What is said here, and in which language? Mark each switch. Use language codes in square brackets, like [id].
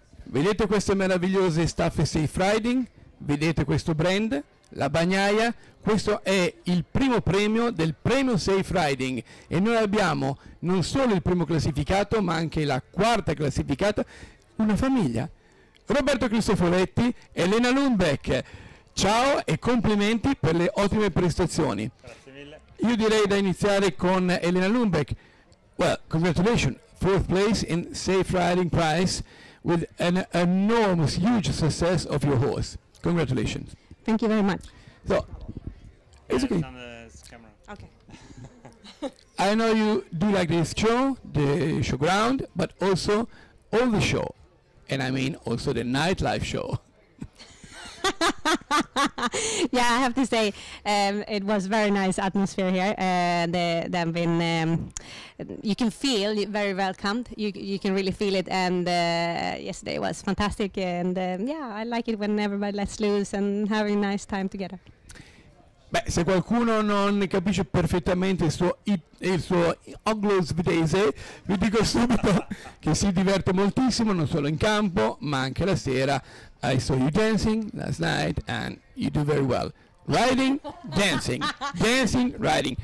[it] Vedete queste meravigliose staffe Seyfrieding, vedete questo brand, la bagnaia, questo è il primo premio del premio Seyfrieding e noi abbiamo non solo il primo classificato ma anche la quarta classificata, una famiglia, Roberto Cristoforetti e Elena Lundbeck. Ciao e complimenti per le ottime prestazioni. Grazie mille. Io direi da iniziare con Elena Lundbeck. [en] Well, congratulations, fourth place in Seyfrieding Prize with an enormous, huge success of your horse. Congratulations. Thank you very much. So, it's okay. It's on the camera. Okay. I know you do like this show, the showground, but also all the show. And I mean also the nightlife show. Yeah, I have to say, it was very nice atmosphere here. They've been, you can feel very welcomed. You can really feel it. And yesterday was fantastic. And yeah, I like it when everybody lets loose and having a nice time together. [it] Beh, se qualcuno non capisce perfettamente il suo anglo svedese, vi dico subito che si diverte moltissimo, non solo in campo, ma anche la sera. [en] I saw you dancing last night and you do very well. Riding, dancing, dancing, riding.